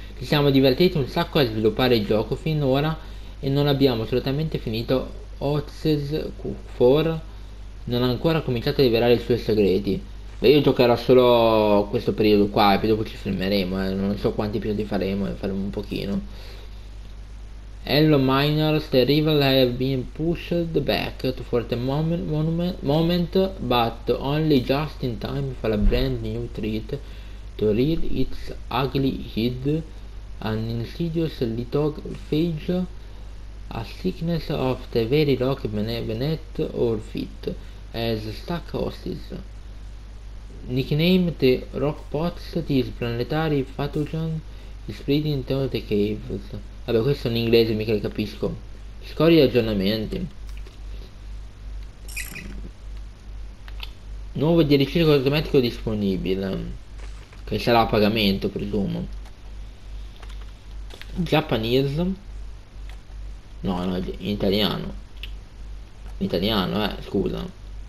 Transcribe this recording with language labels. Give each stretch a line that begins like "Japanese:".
Italian: Ci siamo divertiti un sacco a sviluppare il gioco finora e non abbiamo assolutamente finito Oxes 4, non ha ancora cominciato a rivelare i suoi segreti. Beh, io giocherò solo questo periodo qua e poi dopo ci fermeremo, non so quanti episodi faremo un pochino.
English: Hello miners, the rebels have been pushed back for the moment, but only just in time for a brand new threat to rear its ugly head. An insidious lithophage, a sickness of the very rock beneath our feet, has stuck hostis. Nicknamed the Rockpots, this planetary pathogen is spreading into the caves.
Italian: Vabbè, questo è in inglese, mica li capisco. Scorri aggiornamenti. Nuovo DLC cosmetico disponibile, che sarà a pagamento, presumo. Japanese, no, no, in italiano, scusa.